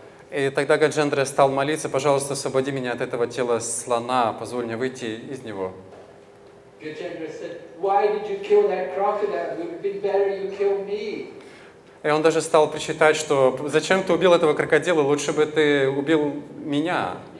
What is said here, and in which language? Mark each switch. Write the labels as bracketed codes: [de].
[ru] И тогда Гаджендра стал молиться: «Пожалуйста, освободи меня от этого тела слона, позволь мне выйти из него». [en] Gajendra said, «Why did you kill that crocodile? It would have been better you killed me». [ru] И он даже стал причитать, что «Зачем ты убил этого крокодила? Лучше бы ты убил меня».